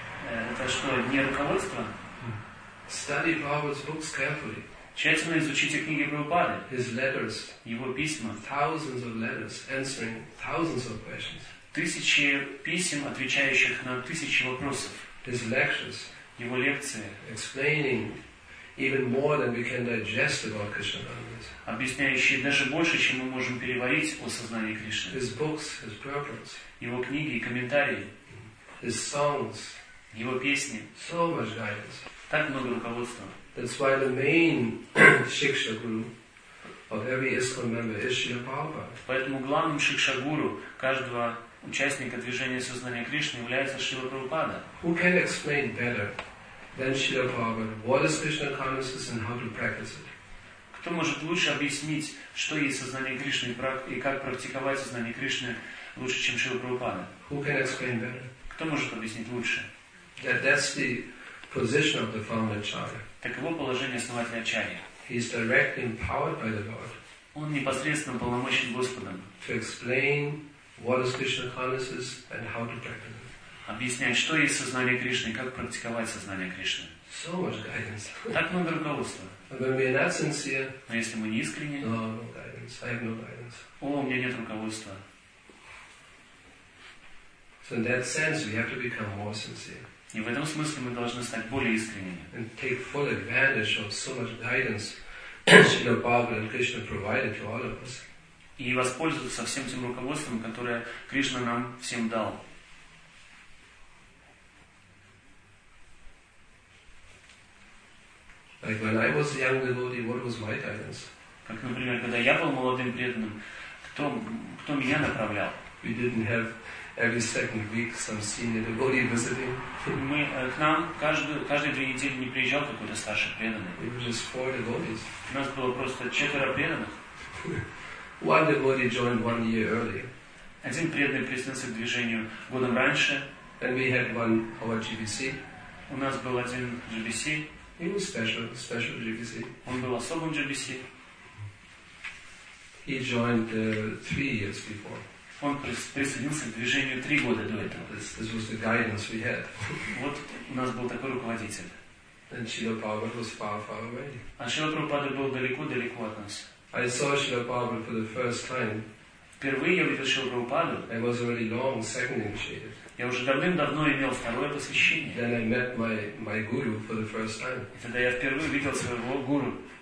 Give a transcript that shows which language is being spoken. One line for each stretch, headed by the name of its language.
Russian: Это что, не руководство?
English: Study Prabhupada's books carefully.
Russian: Тщательно изучите книги Прабхупады.
English: His letters.
Russian: Его письма.
English: Thousands of letters answering thousands of questions.
Russian: Тысячи писем, отвечающих на тысячи вопросов.
English: His lectures.
Russian: Его лекции.
English: Explaining even more than we can digest about Krishnananda's.
Russian: Объясняющие даже больше, чем мы можем переварить о сознании Кришны.
English: His books, his purports.
Russian: Его книги и комментарии.
English: His songs.
Russian: Его песни.
English: So much guidance.
Russian: Так много руководства.
English: That's why the main Shiksha Guru of every ISKCON member is Shri Prabhupada.
Russian: Поэтому главным Shiksha Guru каждого участника движения сознания Кришны является Шри Прабхупада.
English: Who can explain better than Shri Prabhupada what is Krishna consciousness and how to practice it?
Russian: Кто может лучше объяснить, что есть сознание Кришны и как практиковать сознание Кришны лучше, чем Шри Прабхупада?
English: Who can explain better?
Russian: Кто может объяснить лучше?
English: That's the position of the founder Acharya.
Russian: Таково положение основателя Ачарьи.
English: He is directly empowered by the Lord.
Russian: Он непосредственно полномочен Господом.
English: To explain what is Krishna consciousness and how to practice it.
Russian: Объяснять, что есть сознание Кришны и как практиковать сознание Кришны.
English: So much guidance.
Russian: Так много руководства.
English: When we are not sincere.
Russian: Но если мы не искренни.
English: No, no guidance. I have no guidance.
Russian: О, у меня нет руководства.
English: So in that sense, we have to become more sincere.
Russian: И в этом смысле мы должны стать более искренними.
English: And take full advantage of so much guidance Srila Prabhupada and Krishna provided to all of us.
Russian: И воспользоваться всем тем руководством, которое Кришна нам всем дал.
English: Like when I was a young devotee, what was my guidance?
Russian: Как, например, когда я был молодым преданным, кто меня направлял?
English: We didn't have every second week some senior devotee visiting.
Russian: Мы к нам каждые две недели не приезжал какой-то старший преданный.
English: We were just four devotees.
Russian: У нас было просто четверо преданных.
English: One devotee joined 1 year earlier.
Russian: Один преданный присоединился к движению годом раньше.
English: And we had one our GBC.
Russian: У нас был один GBC.
English: He was special GBC.
Russian: Он был особым GBC.
English: He joined 3 years before.
Russian: Он присоединился к движению 3 года до этого.
English: This was the guidance we had.
Russian: Вот у нас был такой руководитель.
English: And Srila Prabhupada was far, far away.
Russian: А Шрила Прабхупада был далеко от нас.
English: I saw Srila Prabhupada for the first time.
Russian: Впервые я увидел Шрилу Прабхупаду.
English: I was already long second initiated.
Russian: Я уже давным-давно имел второе посвящение.
English: Then I met my guru for the first time.
Russian: И тогда я впервые увидел своего гуру.